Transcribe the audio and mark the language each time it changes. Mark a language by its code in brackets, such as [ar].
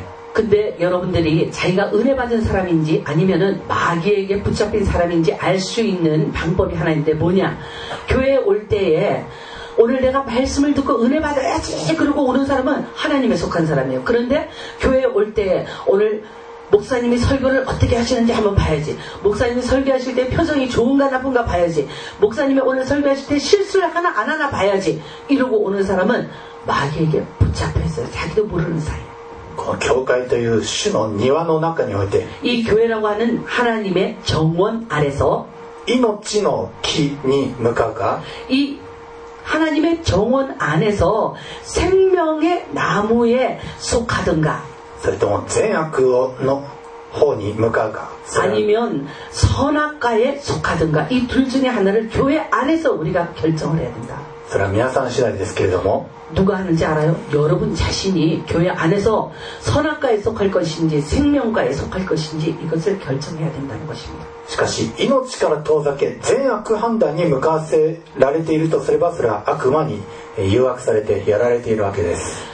[ko] 근데여러분들이자기가은혜받은사람인지아니면은마귀에게붙잡힌사람인지알수있는방법이하나인데뭐냐교회에올때에오늘내가말씀을듣고은혜받아야지그러고오는사람은하나님에속한사람이에요그런데교회에올때에오늘목사님이설교를어떻게하시는지한번봐야지목사님이설교하실때표정이좋은가나쁜가봐야지목사님이오늘설교하실때실수를하나안하나봐야지이러고오는사람은마귀에게붙잡혀있어요자기도모르는사이에요 [ja] この教会という主の庭の中において、 [ko] 이교회라고하는하나님의정원아래서 [ja] 命の木に向かうか、 [ko] 이하나님의정원안에서생명의나무에속하든가 [ja] それとも善悪の方に向かうか、 [ko] 아니면선악과에속하든가이둘중에하나를교회안에서우리가결정을해야된다 [ja] それは皆さん次第ですけれども、 [ko] 누가하는지알아요여러분자신이교회안에서선악과에속할것인지생명과에속할것인지이것을결정해야된다는것입니다 [ja] しかし命から遠ざけ善悪判断に向かわせられているとすれば、それは悪魔に誘惑されてやられているわけです。